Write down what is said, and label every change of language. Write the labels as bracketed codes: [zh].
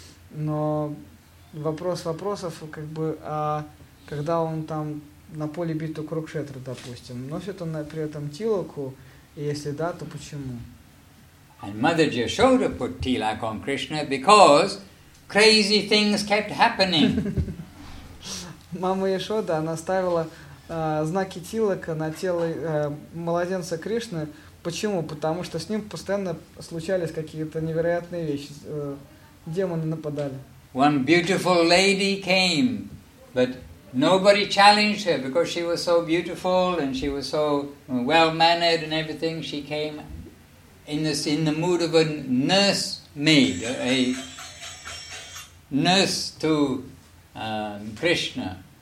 [ru] Но вопрос вопросов, а когда он там на поле битвы Курукшетры, допустим, носит он при этом тилаку, и если да, то почему? [en] And Mother Yashoda put tilak on Krishna because crazy things kept happening. [ru] Мама Яшода, она ставила знаки тилака на тело младенца Кришны. Почему? Потому что с ним постоянно случались какие-то невероятные вещи. Демоны нападали. [en] One beautiful lady came, but nobody challenged her because she was so beautiful and she was so well-mannered and everything. She came in the mood of a nursemaid, a nurse to Krishna.